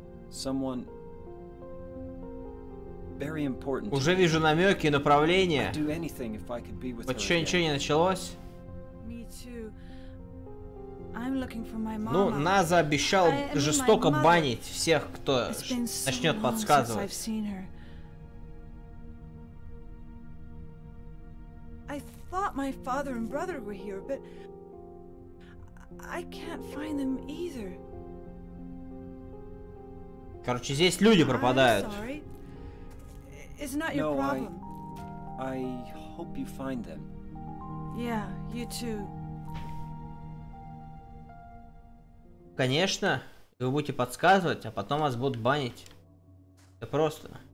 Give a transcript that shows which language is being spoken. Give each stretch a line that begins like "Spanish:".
English: Someone very important.
Russian: Уже вижу намеки и направление. Вот еще ничего не началось.
English: Me too. I'm looking for my mama.
Russian: Ну, Наза обещал жестоко банить всех, кто начнет подсказывать.
English: I thought my father and brother were here, but I can't find them either.
Russian: Короче, здесь люди пропадают.
English: It's not your problem. I hope you find them. Yeah, you too.
Russian: Конечно, вы будете подсказывать, а потом вас будут банить. Это просто.